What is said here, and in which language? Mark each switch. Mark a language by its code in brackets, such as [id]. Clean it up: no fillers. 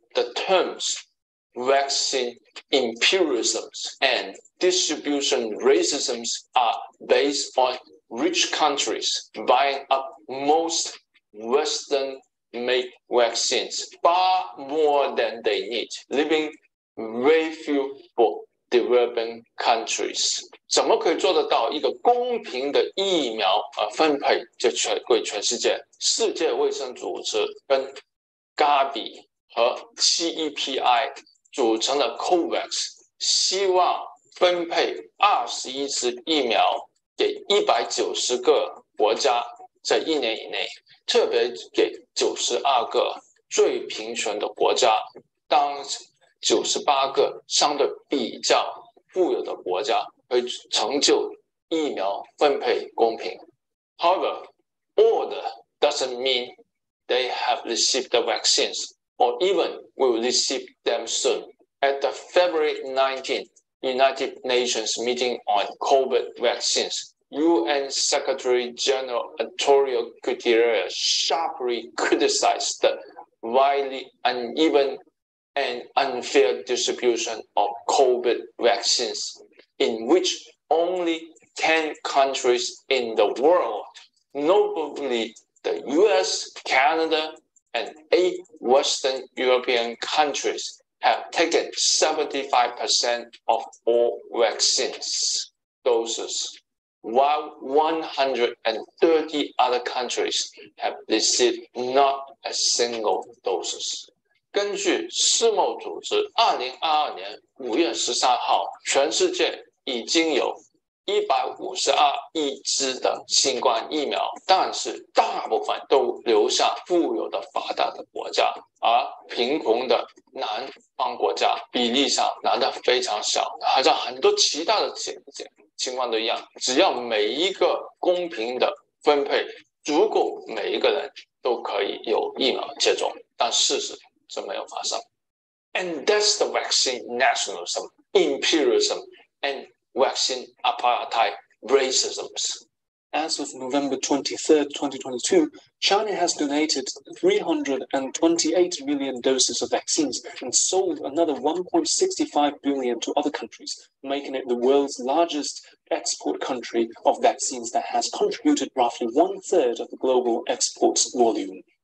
[en] The terms vaccine imperialism and distribution racism are based on rich countries buying up most Western-made vaccines, far more than they need, leaving very few for developing countries. [zh] 怎么可以做得到一个公平的疫苗分配就全归全世界？世界卫生组织跟 GAVI 和 CEPI 组成的 COVAX 希望分配21支疫苗给190个国家，在一年以内，特别给92个最贫穷的国家，当98个相对比较富有的国家，会成就疫苗分配公平。 [en] However, order doesn't mean they have received the vaccines or even will receive them soon. At the February 19th United Nations meeting on COVID vaccines, UN Secretary General Antonio Guterres sharply criticized the widely uneven an unfair distribution of COVID vaccines in which only 10 countries in the world, notably the US, Canada, and 8 Western European countries, have taken 75% of all vaccines doses, while 130 other countries have received not a single doses. [zh] 根据世贸组织2022年5月13号，全世界已经有152亿支的新冠疫苗，但是大部分都流向富有的发达的国家，而贫穷的南方国家比例上拿得非常小，好像很多其他的情况都一样，只要每一个公平的分配，足够每一个人都可以有疫苗接种，但事实是没有发生。 [en] And that's the vaccine nationalism, imperialism, and vaccine apartheid racism. As of November 23rd, 2022, China has donated 328 million doses of vaccines and sold another 1.65 billion to other countries, making it the world's largest export country of vaccines that has contributed roughly one-third of the global exports volume.